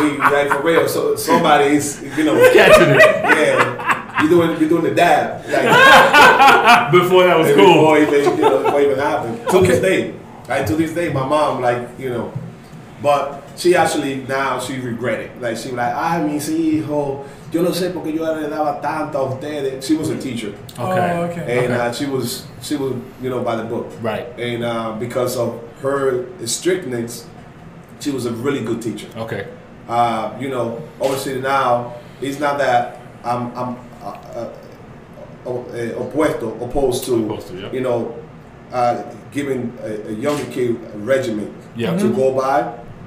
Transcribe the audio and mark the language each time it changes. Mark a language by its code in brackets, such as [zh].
[en] Like, for real. So somebody's, you know. Catching it. Yeah. You're doing the dab. Like, before that was cool. Before even happened. To this day. Right. To this day, my mom, like, you know. But she actually, now she regret it. Like, she was like, [es] ay, mi hijo. Yo no sé por qué yo le daba tanto a ustedes. [en] She was a teacher. Okay. And she was, you know, by the book. Right. And because of her strictness, she was a really good teacher. Okay. You know, obviously now, it's not that I'm opposed to, you know, giving a younger kid a regimen to go by.